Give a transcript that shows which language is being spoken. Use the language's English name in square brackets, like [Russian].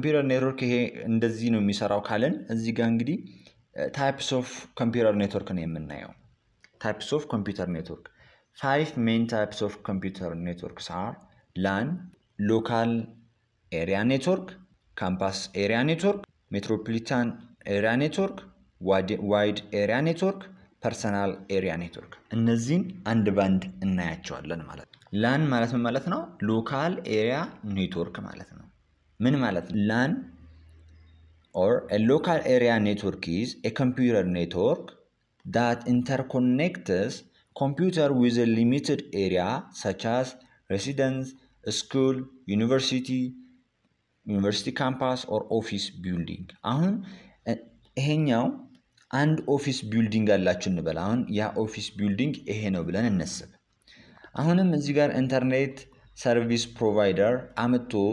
[Amharic] ኔትወርክ ይሄ እንደዚህ ነው የሚሰራው ካለን፣ እዚህ ጋር እንግዲህ ታይፕስ ኦፍ ኮምፒውተር ኔትወርክ [English] ነው የምናየው። ታይፕስ ኦፍ ኮምፒውተር ኔትወርክ Five main types of computer networks are LAN, local area network, campus area network, metropolitan area network, wide area network, personal area network. [Amharic] እነዚህን አንድ ባንድ እናያቸዋለን ማለት ነው። LAN ማለት ምን ማለት ነው? local area network ማለት ነው። ምን ማለት ነው? [English] LAN or a local area network is a computer network that interconnects computer with a limited area such as residence, school, university campus or office building. [Amharic] አሁን ይሄኛው አንድ ኦፊስ ቢልዲንግ አላችሁ እንበል። አሁን ያ ኦፊስ ቢልዲንግ ይሄ ነው ብለን እንስብ። አሁንም እዚህ ጋር ኢንተርኔት ሰርቪስ ፕሮቫይደር አመጡ፣